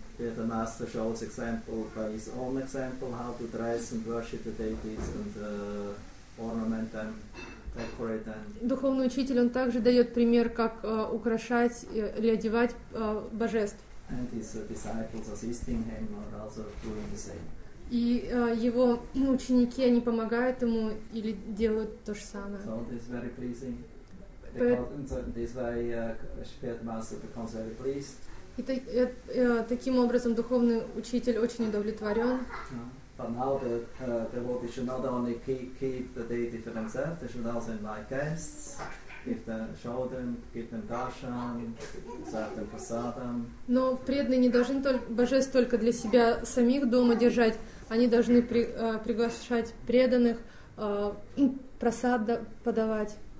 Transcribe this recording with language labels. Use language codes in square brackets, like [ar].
[en] The master shows example by his own example how to dress and worship the deities and ornament them. [ru] Духовный учитель, он также дает пример, как украшать или одевать божеств. [en] And his disciples assisting him are also doing the same. [ru] И его ученики, они помогают ему или делают то же самое. [en] So this is very pleasing. This way, spirit master becomes very pleased. [ru] И таким образом духовный учитель очень удовлетворен. [en] But now the devotees should not only keep the deity for themselves, they should also invite guests, show them, give them darshan, serve them prasadam. [ru] Но преданные не должны божеств только для себя самих дома держать, они должны приглашать преданных, прасад подавать.